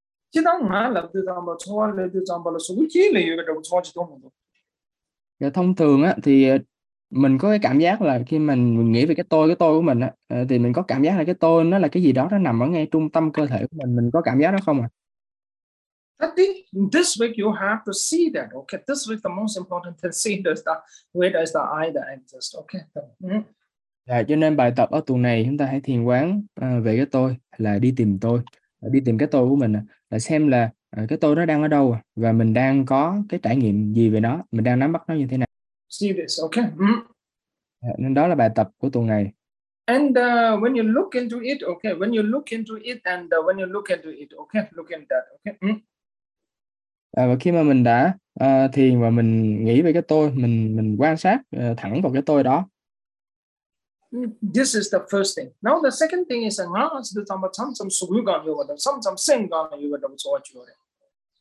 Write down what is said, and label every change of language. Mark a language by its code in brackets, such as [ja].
[vi] chứ đâu mà là từ tầm bao cho là từ tầm bao là số chỉ là cái đầu cho chứ đâu mà Và thông thường á thì mình có cái cảm giác là khi mình nghĩ về cái tôi của mình á, thì mình có cảm giác là cái tôi nó là cái gì đó nó nằm ở ngay trung tâm cơ thể của mình có cảm giác đó không ạ? [en] I think this week you have to see that. Okay, this week the most important thing see is that where does the eye that exists. Okay. [vi] Dạ, cho nên bài tập ở tuần này chúng ta hãy thiền quán về cái tôi, là đi tìm tôi, đi tìm cái tôi của mình, là xem là cái tôi nó đang ở đâu và mình đang có cái trải nghiệm gì về nó, mình đang nắm bắt nó như thế nào. [en] See this, okay? [vi] Nên đó là bài tập của tuần này. [en] And when you look into it, okay? When you look into it and when you look into it, okay? Look into that, okay? [vi] À, và khi mà mình đã thiền và mình nghĩ về cái tôi, mình quan sát thẳng vào cái tôi đó. [en] This is the first thing. Now the second thing is